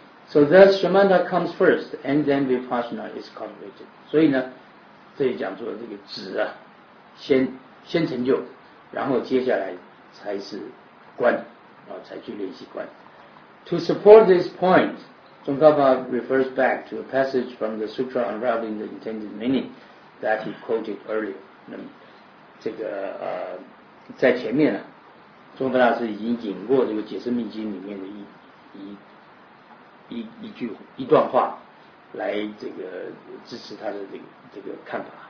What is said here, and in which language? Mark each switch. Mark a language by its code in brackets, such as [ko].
[en] So thus Shamanta comes first and then Vipassana is cultivated. [zh] 所以呢，这里讲说这个止啊，先成就，然后接下来才是观，然后才去练习观。 [en] To support this point, Tsongkhapa refers back to a passage from the Sutra Unraveling the Intended Meaning that he quoted earlier. [zh] 那么这个在前面呢，中国大师已经引过这个解释密经里面的一段话来这个支持他的这个看法。